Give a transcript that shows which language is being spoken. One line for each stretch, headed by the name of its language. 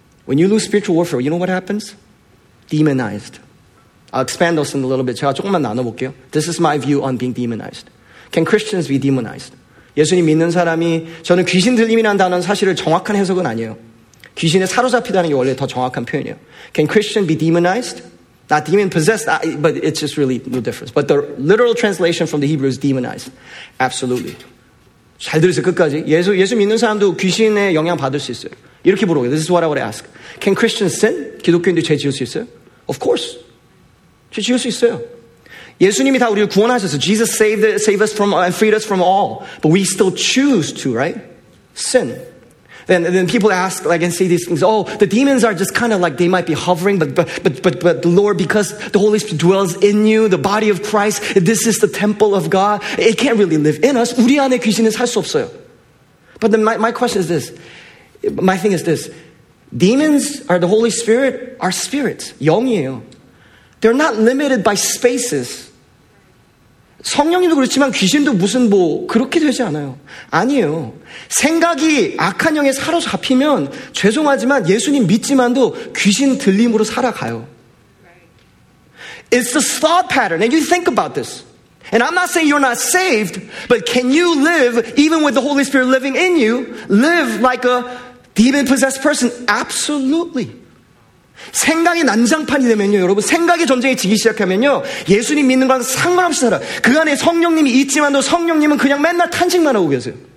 English: When you lose spiritual warfare, you know what happens? Demonized. I'll expand those in a little bit.
Korean: 제가 조금만 나눠볼게요.
English: This is my view on being demonized. Can Christians be demonized?
Korean: 예수님 믿는 사람이 저는 귀신 들림이라는 단어는 사실을 정확한 해석은 아니에요. 귀신에 사로잡히다는 게 원래 더 정확한 표현이에요.
English: Can Christians be demonized? Not demon possessed, but it's just really no difference. But the literal translation from the Hebrew is demonized.
Korean: Absolutely. 잘 들으세요, 끝까지. 예수 믿는 사람도 귀신의 영향 받을 수 있어요. 이렇게 물어보게요.
English: This is what I would ask. Can Christians sin?
Korean: 기독교인들 죄 지을 수 있어요?
English: Of course.
Korean: 죄 지을 수 있어요. 예수님이 다 우리를 구원하셨어요.
English: Jesus saved us from and freed us from all. But we still choose to, right? Sin. Then people ask, like, and say these things. Oh, the demons are just kind of like, they might be hovering, but the Lord, because the Holy Spirit dwells in you, the body of Christ, this is the temple of God, it can't really live in us.
Korean: 우리 안에 귀신은 살 수 없어요.
English: But then my question is this. My thing is this. Demons are the Holy Spirit, are spirits.
Korean: 영이에요.
English: They're not limited by spaces.
Korean: 성령님도 그렇지만 귀신도 무슨 뭐 그렇게 되지 않아요. 아니에요. 생각이 악한 영에 사로잡히면 죄송하지만 예수님 믿지만도 귀신 들림으로 살아가요.
English: It's the thought pattern. And you think about this. And I'm not saying you're not saved, but can you live, even with the Holy Spirit living in you, live like a demon-possessed person? Absolutely.
Korean: 생각이 난장판이 되면요, 여러분, 생각의 전쟁이 지기 시작하면요, 예수님 믿는 건 상관없이 살아. 그 안에 성령님이 있지만도 성령님은 그냥 맨날 탄식만 하고 계세요.